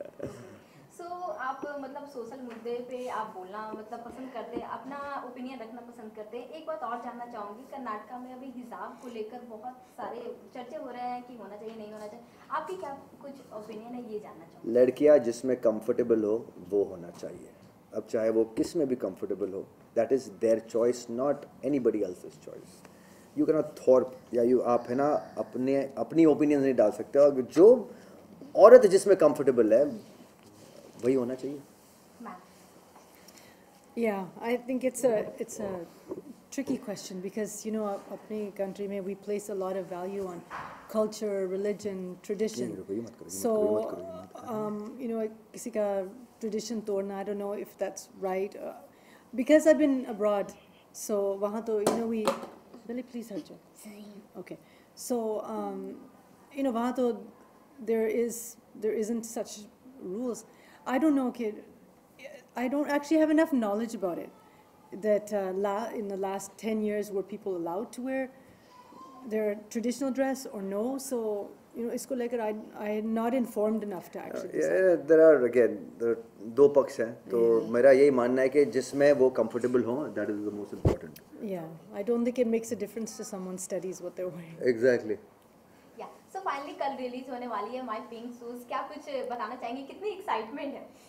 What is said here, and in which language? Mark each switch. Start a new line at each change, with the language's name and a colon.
Hindi: सो आप मतलब सोशल मुद्दे पे आप बोलना मतलब पसंद करते हैं, अपना ओपिनियन रखना पसंद करते हैं. एक बात और जानना चाहूंगी, कर्नाटक में अभी हिजाब को लेकर बहुत सारे चर्चे हो रहे हैं कि होना चाहिए नहीं होना चाहिए, आपकी क्या कुछ ओपिनियन है ये जानना चाहूंगी. लड़कियां जिसमें कंफर्टेबल हो वो होना चाहिए, अब चाहे वो किस में भी कंफर्टेबल हो.
English: That is their choice, not anybody else's choice. You cannot thwart,
Hindi: या यू आप है ना अपने अपनी ओपिनियन नहीं डाल सकते. और जो औरत जिसमें कंफर्टेबल है वही होना चाहिए.
English: Yeah, I think it's a tricky question because you know
Hindi: अपनी country में
English: we place a lot of value on culture, religion, tradition. So you know
Hindi: किसी का tradition तोड़ना,
English: I don't know if that's right. Because I've been abroad, so
Hindi: वहाँ तो
English: you know we Billy please help you. Okay, so you know
Hindi: वहाँ तो
English: there isn't such rules. I don't know, kid. I don't actually have enough knowledge about it that in the last 10 years were people allowed to wear their traditional dress or no. So you know
Hindi: इसको लेकर
English: I am not informed enough to actually. Yeah, there are again there.
Hindi: दो पक्ष हैं, तो मेरा यही मानना है कि जिसमें वो कंफर्टेबल हो
English: That is the most important. Yeah I don't think it makes a difference to someone studies what they are wearing. Exactly.
Hindi: या सो फाइनली कल रिलीज होने वाली है माय पिंक शूज, क्या कुछ बताना चाहेंगे, कितनी एक्साइटमेंट है?